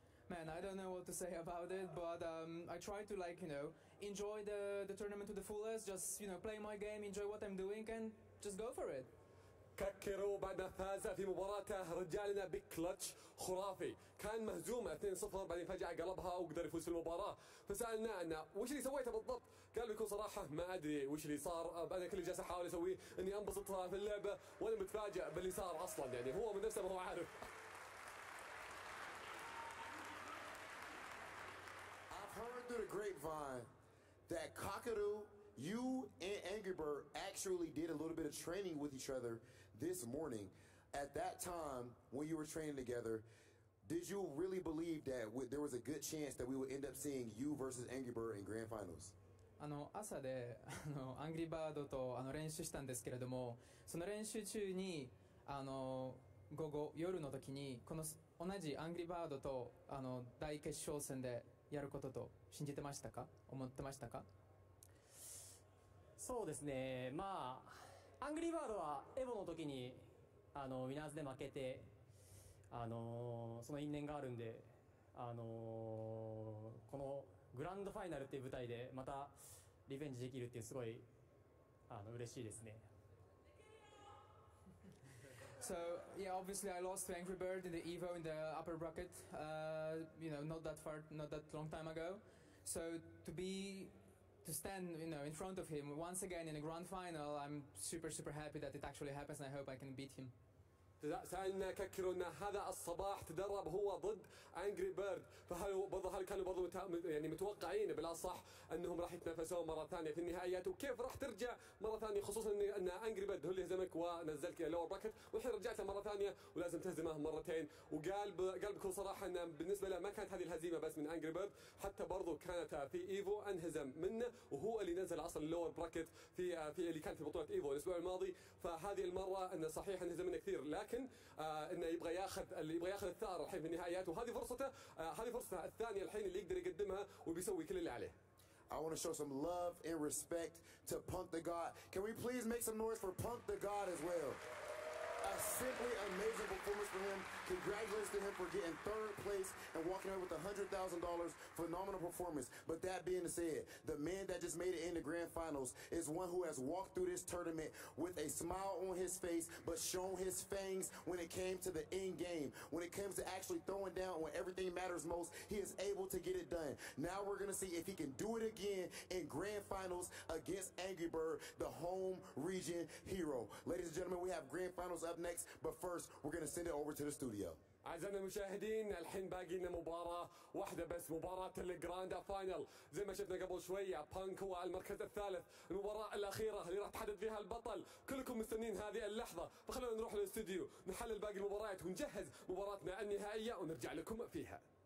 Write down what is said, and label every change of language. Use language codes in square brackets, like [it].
[en] Man, I don't know what to say about it, but I try to like, you know, enjoy the tournament to the fullest, just, you know, play my game, enjoy what I'm doing and just go for it. [ar] كاكيرو بعد ما فاز في مباراته رجع لنا بكلتش خرافي كان مهزوم 2-0 بعدين فجأة قلبها وقدر يفوز في المباراة فسألنا أنه وش اللي سويته بالضبط قال بكل صراحة ما أدري وش اللي صار أنا كل اللي جالس أحاول أسويه أني أنبسط في اللعبة وأنا متفاجئ باللي صار أصلا يعني هو من نفسه ما هو عارف [en] I've heard through the grapevine that Kakeru, you and Angry Bird actually did a little bit of training with each other this morning. At that time, when you were training together, did you really believe that there was a good chance that we would end up seeing you versus Angry Bird in Grand Finals? [ja] あの朝であのアングリーバードとあの練習したんですけれども、その練習中にあの午後夜の時にこの同じアングリーバードとあの大決勝戦でやることと信じてましたか？思ってましたか？そうですね、まあ、アングリーバードはエボの時にあのウィナーズで負けて、その因縁があるんで、このグランドファイナルっていう舞台でまたリベンジできるっていうすごいあの嬉しいですね。 [en] So, yeah, obviously I lost to Angry Bird in the Evo in the upper bracket, you know, not that long time ago. So, to stand, you know, in front of him once again in a grand final, I'm super, super happy that it actually happens, and I hope I can beat him. [ar] سألنا كاكيرو أن هذا الصباح تدرب هو ضد أنجري بيرد، فهل برضه هل كانوا برضه يعني متوقعين بالأصح أنهم راح يتنافسون مرة ثانية في النهائيات وكيف راح ترجع مرة ثانية خصوصاً أن أنجري بيرد هو اللي هزمك ونزلك إلى لور باكت والحين رجعت مرة ثانية ولازم تهزمه مرتين وقال بكل صراحة أن بالنسبة له ما كانت هذه الهزيمة بس من أنجري بيرد حتى برضه كانت في إيفو انهزم منه وهو اللي نزل أصلاً لور باكت في اللي كانت في بطولة إيفو الأسبوع الماضي فهذه المرة أن صحيح انهزم منه كثير لكن انه يبغى ياخذ اللي يبغى ياخذ الثار الحين في النهائيات وهذه فرصته هذه فرصته الثانيه الحين اللي يقدر يقدمها وبيسوي كل اللي عليه. [en] I want to show some love and respect to Punk the God. Can we please make some noise for Punk the God as well? A simply amazing performance for him. Congratulations to him for getting third place and walking away with $100,000. Phenomenal performance. But that being said, the man that just made it in the grand finals is one who has walked through this tournament with a smile on his face, but shown his fangs when it came to the end game. When it comes to actually throwing down when everything matters most, he is able to get it done. Now we're going to see if he can do it again in grand finals against Angry Bird, the home region hero. Ladies and gentlemen, we have grand finals up next, but first we're going to send it over to the studio. [ar] أعزائنا المشاهدين الحين باقي لنا مباراة واحدة بس مباراة الجراند فاينل زي ما شفنا قبل شوية بانك هو على المركز الثالث المباراة الأخيرة اللي راح تحدد فيها البطل كلكم مستنين هذه اللحظة فخلونا نروح للاستوديو نحلل باقي المباريات ونجهز مباراتنا النهائية ونرجع لكم فيها